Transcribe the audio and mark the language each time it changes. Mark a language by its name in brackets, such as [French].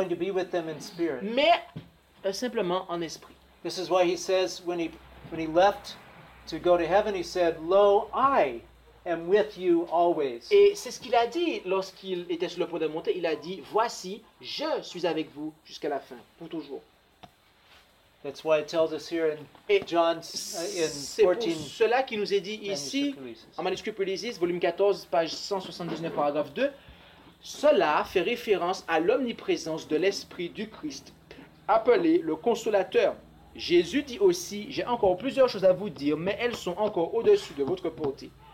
[English] He's going to be with them in spirit. [French] Mais simplement en esprit. [English] This is why he says when he left to go to heaven, he said, "Lo, I am with you always." [French] Et c'est ce qu'il a dit lorsqu'il était sur le point de monter. Il a dit, "Voici, je suis avec vous jusqu'à la fin, pour toujours." [English] That's why it tells us here in John's in 14. [French] C'est pour cela qu'il nous est dit ici en manuscrit Polysis, volume 14, page 179, paragraphe 2. Cela fait référence à l'omniprésence de l'esprit du Christ, appelé le Consolateur. Jésus dit aussi: j'ai encore plusieurs choses à vous dire, mais elles sont encore au-dessus de votre portée.